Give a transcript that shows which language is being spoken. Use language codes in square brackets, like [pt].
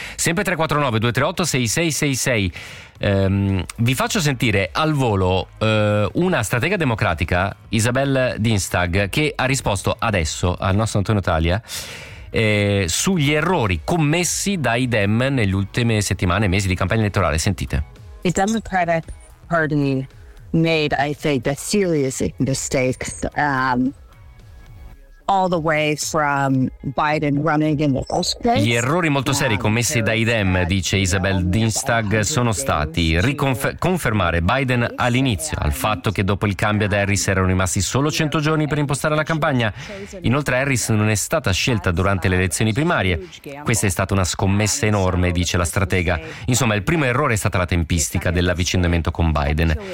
[it] Sempre 349-238-6666. Vi faccio sentire al volo una stratega democratica, Isabel Dienstag, che ha risposto adesso al nostro Antonio Talia sugli errori commessi dai Dem nelle ultime settimane e mesi di campagna elettorale. Sentite. [en] The Democratic Party made, I think, a serious mistake all the way from Biden running in the first place. [it] Gli errori molto seri commessi dai Dem, dice Isabel Dienstag, sono stati confermare Biden all'inizio, al fatto che dopo il cambio ad Harris erano rimasti solo 100 giorni per impostare la campagna. Inoltre Harris non è stata scelta durante le elezioni primarie. Questa è stata una scommessa enorme, dice la stratega. Insomma, il primo errore è stata la tempistica dell'avvicinamento con Biden.